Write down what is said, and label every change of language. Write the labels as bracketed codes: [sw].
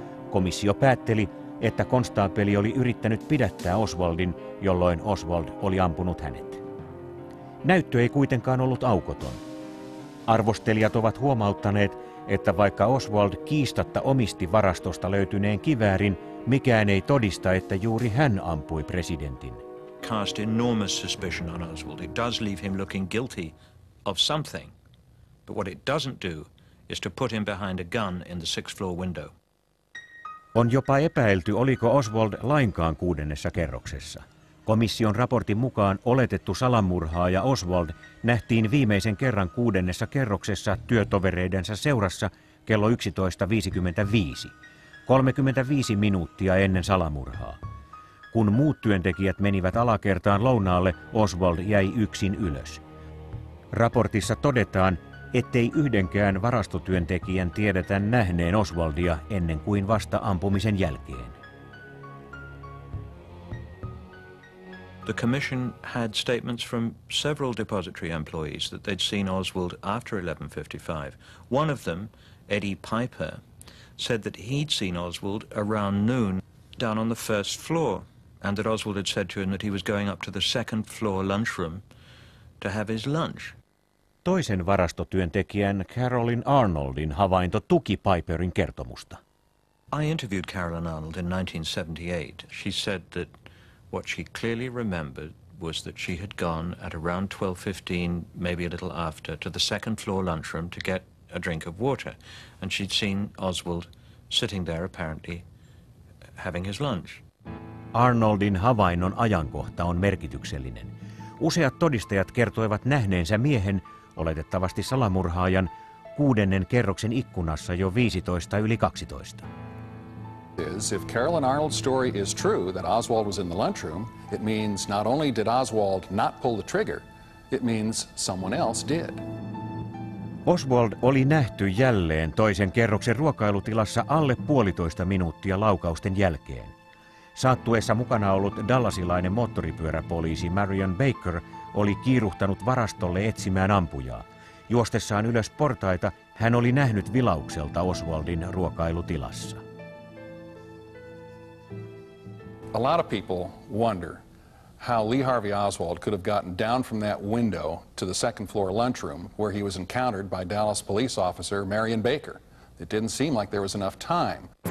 [fi] Komissio päätteli, että konstaapeli oli yrittänyt pidättää Oswaldin, jolloin Oswald oli ampunut hänet. Näyttö ei kuitenkaan ollut aukoton. Arvostelijat ovat huomauttaneet, että vaikka Oswald kiistatta omisti varastosta löytyneen kiväärin, mikään ei todista, että juuri hän ampui presidentin. [en] Cast enormous suspicion on Oswald. It does leave him looking guilty of something, but what it doesn't do is to put him behind a gun in the sixth floor window. [fi] On jopa epäilty, oliko Oswald lainkaan kuudennessa kerroksessa. Komission raportin mukaan oletettu salamurhaaja Oswald nähtiin viimeisen kerran kuudennessa kerroksessa työtovereidensä seurassa kello 11.55, 35 minuuttia ennen salamurhaa. Kun muut työntekijät menivät alakertaan lounaalle, Oswald jäi yksin ylös. Raportissa todetaan, ettei yhdenkään varastotyöntekijän tiedetä nähneen Oswaldia ennen kuin vasta ampumisen jälkeen. [en] The commission had statements from several depository employees that they'd seen Oswald after 11:55. One of them, Eddie Piper, said that he'd seen Oswald around noon down on the first floor. And that Oswald had said to him that he was going up to the second floor lunchroom to have his lunch. [fi] Toisen varastotyöntekijän Carolyn Arnoldin havainto tuki Piperin kertomusta. [en] I interviewed Carolyn Arnold in 1978. She said that what she clearly remembered was that she had gone at around 12:15, maybe a little after, to the second floor lunchroom to get a drink of water. And she'd seen Oswald sitting there, apparently, having his lunch. [fi] Arnoldin havainnon ajankohta on merkityksellinen. Useat todistajat kertoivat nähneensä miehen, oletettavasti salamurhaajan, kuudennen kerroksen ikkunassa jo 11:55. [en] Is if Carolyn Arnold's story is true that Oswald was in the lunchroom, it means not only did Oswald not pull the trigger, it means someone else did. [fi] Oswald oli nähty jälleen toisen kerroksen ruokailutilassa alle 1.5 minuuttia laukausten jälkeen. Sattuessa mukana ollut dallasilainen moottoripyöräpoliisi Marion Baker oli kiiruhtanut varastolle etsimään ampujaa. Juostessaan ylös portaita hän oli nähnyt vilaukselta Oswaldin ruokailutilassa. [en] A lot of people wonder how Lee Harvey Oswald could have gotten down from that window to the second floor lunchroom where he was encountered by Dallas police officer Marion Baker. It didn't seem like there was enough time.